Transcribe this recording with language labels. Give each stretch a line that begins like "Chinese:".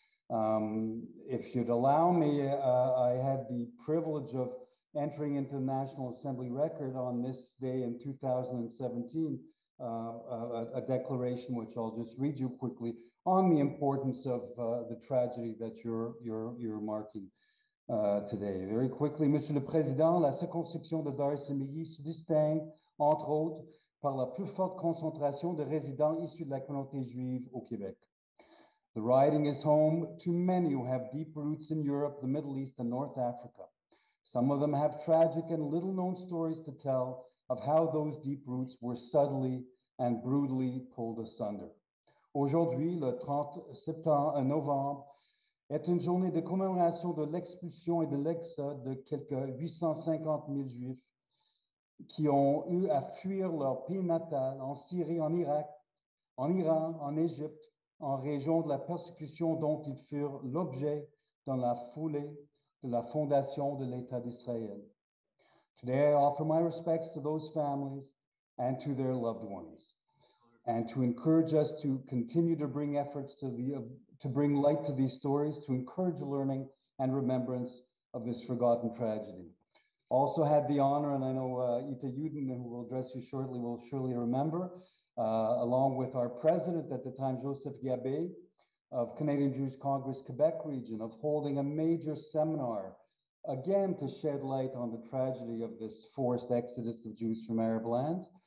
English: If you'd allow me, I had the privilege of entering into the National Assembly record on this day in 2017, a declaration which I'll just read you quickly on the importance of the tragedy that you're marking today. Very quickly,
French: Monsieur le Président, la circonscription de Dar es Semilly se distingue, entre autres, par la plus forte concentration de résidents issus de la communauté juive au Québec.
English: The riding is home to many who have deep roots in Europe, the Middle East, and North Africa. Some of them have tragic and little-known stories to tell of how those deep roots were subtly and brutally pulled asunder.
French: Aujourd'hui, le 30 novembre, est une journée de commémoration de l'expulsion et de l'exode de quelques 850 000 Juifs qui ont eu à fuir leur pays natal en Syrie, en Irak, en Iran, en Égypte, en raison de la persécution dont ils furent l'objet dans la foulée de la fondation de l'État d'Israël.
English: Today I offer my respects to those families and to their loved ones, and to encourage us to continue to bring efforts to bring light to these stories, to encourage learning and remembrance of this forgotten tragedy. Also had the honor, and I know Ita Yudin, who will address you shortly, will surely remember, along with our president at the time, Joseph Gabé, of Canadian Jewish Congress Quebec region, of holding a major seminar, again, to shed light on the tragedy of this forced exodus of Jews from Arab lands.